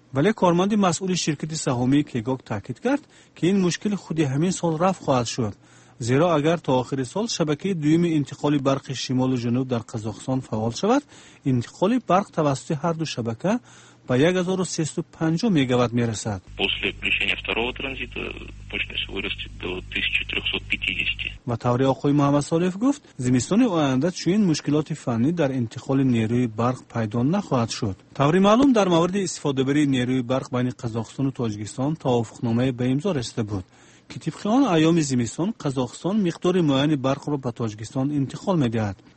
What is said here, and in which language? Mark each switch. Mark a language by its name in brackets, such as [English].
[Persian] ولی کارمند مسئول شرکت سهامی کیگوک تاکید کرد که این مشکل خود همین سال رفع خواهد شد، زیرا اگر تا آخر سال شبکه دوم انتقال برق شمال و جنوب در قزاقستان فعال شود انتقال برق توسط هر دو شبکه [Tajik] по 1350 мегаватт мерасад. [Russian] После включения второго транзита мощность вырастет до 1350. [Tajik] Ва таври оқои Муҳаммад Солиев гуфт, зимистони оянда чунин мушкилоти фанни дар интиқоли нерӯи барқ пайдо нахоҳад шуд. Таври маълум дар мавриди истифодабарии нерӯи барқ байни Қазоқистон ва Тоҷикистон тавофуқномае ба имзо расида буд. Ки тибқи он айёми зимистон Қазоқистон миқдори муайяни барқро ба Тоҷикистон интиқол медиҳад.